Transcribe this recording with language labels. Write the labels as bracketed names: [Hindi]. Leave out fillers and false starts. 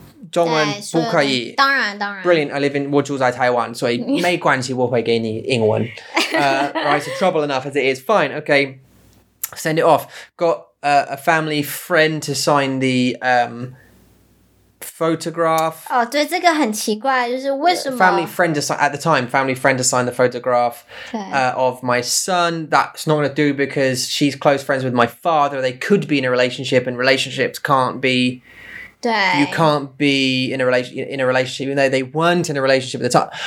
[Chinese] 中文不可以. 当然。 [English] Brilliant. I live in [Chinese] 我住在 [English] Taiwan, so [Chinese] 没关系，我会给你英文. [English] Right, so trouble enough as it is. Fine, okay. Send it off. Got a family friend to sign the photograph. [Chinese] 哦，对，这个很奇怪，就是为什么 [English] family friend to sign, at the time family friend to sign the photograph of my son. That's not gonna do because she's close friends with my father. They could be in a relationship, and relationships can't be. You can't be in a relationship, even though they weren't in a relationship at the time.